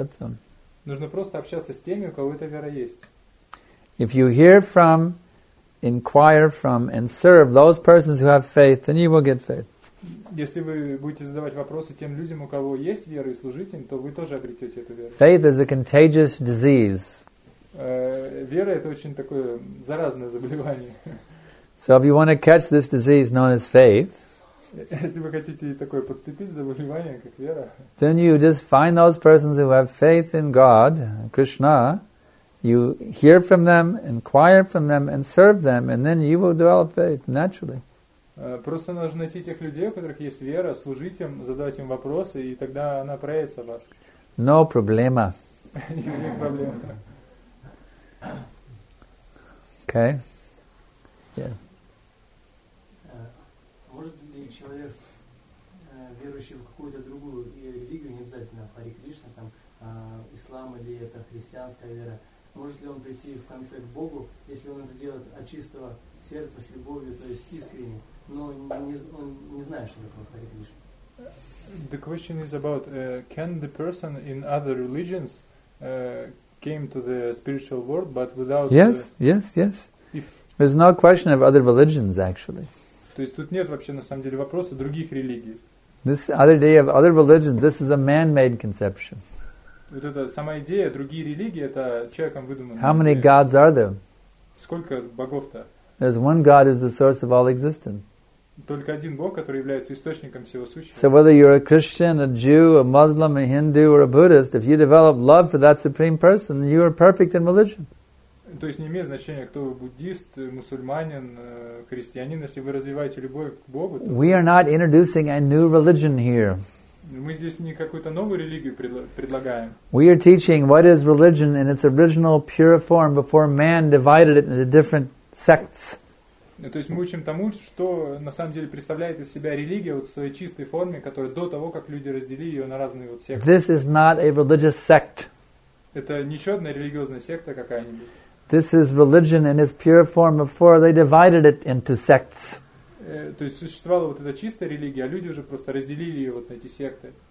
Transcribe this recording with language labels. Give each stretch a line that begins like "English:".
English: That's all.
Russian: Нужно просто общаться с теми, у кого эта вера есть.
English: If you hear from, inquire from, and serve those persons who have faith, then you will get faith.
Russian: Если вы будете задавать вопросы тем людям, у кого есть вера, и служить им, то вы тоже обретете эту веру.
English: Faith is a contagious disease.
Russian: Вера – это очень такое заразное заболевание.
English: So if you want to catch this disease known as faith,
Russian: если вы хотите такое подцепить заболевание, как вера,
English: then you just find those persons who have faith in God, Krishna, you hear from them, inquire from them, and serve them, and then you will develop faith naturally.
Russian: Просто нужно найти тех людей, у которых есть вера, служить им, задавать им вопросы, и тогда она проявится в вас.
Spanish: No problema.
Russian: Никаких проблем.
English: Okay. Yeah.
Russian: Может ли человек, верующий в какую-то другую религию, не обязательно Хари Кришна, там, ислам или это христианская вера, может ли он прийти в конце к Богу, если он это делает от чистого сердца, с любовью, то есть искренне?
English: The question is about can the person in other religions came to the spiritual world but without... Yes. There's no question of other religions, actually.
Russian: То есть тут нет вообще на самом деле вопроса других религий.
English: This other day of other religions, this is a man-made conception.
Russian: Вот эта сама идея, другие религии, это человеком выдуманные.
English: How many gods are there?
Russian: Сколько богов-то?
English: There's one God who's the source of all existence.
Russian: Только один Бог, который является источником всего сущего.
English: So whether you're a Christian, a Jew, a Muslim, a Hindu, or a Buddhist, if you develop love for that supreme person, you are perfect in religion.
Russian: То есть не имеет значения, кто вы, буддист, мусульманин, христианин, если вы развиваете любовь к Богу.
English: We are not introducing a new religion here.
Russian: Мы здесь не какую-то новую религию предлагаем.
English: We are teaching what is religion in its original pure form before man divided it into different sects.
Russian: То есть мы учим тому, что на самом деле представляет из себя религия вот в своей чистой форме, которая до того, как люди разделили ее на разные вот секты.
English: This is not a religious sect.
Russian: Это не еще одна религиозная секта какая-нибудь.
English: This is religion in its pure form before they divided it into sects.
Russian: То есть существовала вот эта чистая религия, а люди уже просто разделили ее вот на эти секты.